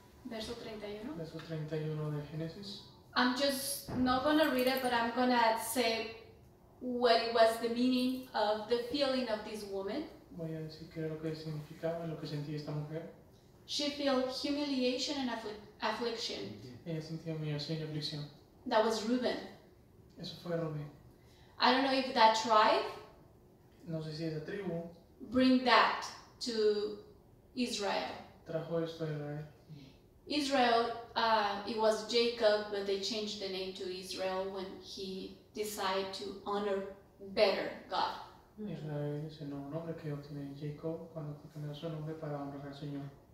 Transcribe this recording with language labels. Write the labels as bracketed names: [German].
[English] I'm just not going to read it, but I'm going to say what was the meaning of the feeling of this woman. [Spanish] Voy a decir qué es lo que significaba, lo que sentía esta mujer. [English] She felt humiliation and affliction. [Spanish] Ella sentía humillación y aflicción. [English] That was Reuben. [Spanish] Eso fue Reuben. [English] I don't know if that tribe, [Spanish] no sé si esa tribu, [English] bring that to Israel. [Spanish] Trajo esto a Israel. [English] Israel, it was Jacob, but they changed the name to Israel when he decided to honor better God. [Spanish] Israel es el nombre que obtiene Jacob cuando cambió su nombre para honrar al Señor.